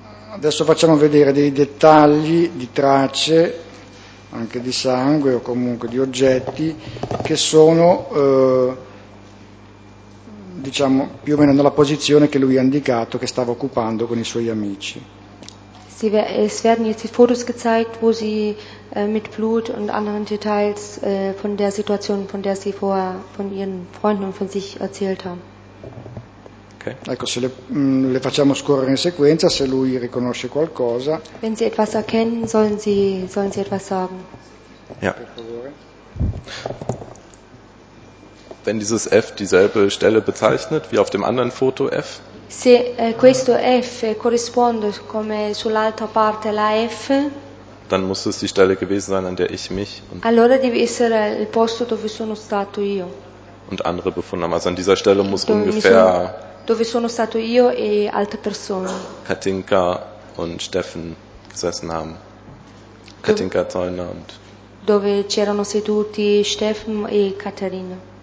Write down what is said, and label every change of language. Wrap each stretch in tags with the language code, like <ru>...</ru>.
<it>Adesso facciamo vedere dei dettagli di tracce, anche di sangue o comunque di oggetti, che sono diciamo più o meno nella posizione che lui ha indicato, che stava occupando con i suoi amici.</it> <de>Es werden jetzt die Fotos gezeigt, wo sie mit Blut und anderen Details von der Situation, von der sie vorher von ihren Freunden und von sich erzählt haben. Okay.</de> <it>Ecco, se le facciamo scorrere in sequenza, se lui riconosce qualcosa.</it> <de>Wenn sie etwas erkennen, sollen sie etwas sagen. Ja. Wenn dieses F dieselbe Stelle bezeichnet wie auf dem anderen Foto F.</de> <it>Se questo F corrisponde come sull'altra parte la F.</it> <de>Dann muss es die Stelle gewesen sein, an der ich mich. Und</de> <it>allora deve essere il posto dove sono stato io.</it> <de>Und andere befunden haben. Also an dieser Stelle muss</de> <it>dove</it> <de>ungefähr.</de> <it>Dove sono stato io e altre persone.</it> <de>Katinka und Steffen gesessen haben. Katinka Zollner und.</de> <it>Dove c'erano seduti Steffen e Katharina.</it>